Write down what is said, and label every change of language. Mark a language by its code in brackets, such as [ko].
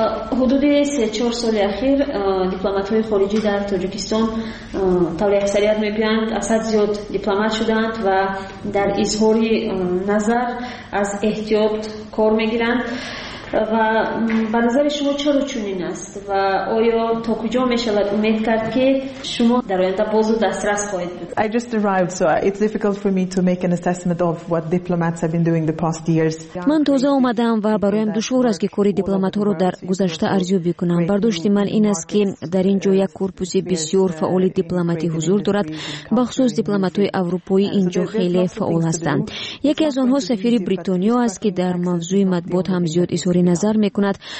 [fa] حدود 3-4 سال اخیر دیپلمات‌های خارجی در تاجیکستان طوری اکثریت می‌پیوند اصد زیاد دیپلمات شدند و در اظهار نظر از احتیاط کار می‌گیرند و به نظر شما چرا چنین است و آیا تا کجا می‌شود امید کرد که شما در آینده باز دسترس خواهید بود؟ [en] I just arrived, so it's difficult for me to make an assessment of what diplomats have been doing the past years. [fa] من تازه آمدم و برایم دشوار است که کاری دیپلمات‌ها رو در گذشته ارزیابی کنم. برداشت من این است که در اینجا یک کورپوس بسیار فعال دیپلماتی حضور دارد. بخصوص دیپلمات‌های اروپایی اینجا خیلی فعال هستند. یکی از آنها سفیر بریتانیا است که در موضوع مطبوعات هم زیاد نظر میکند.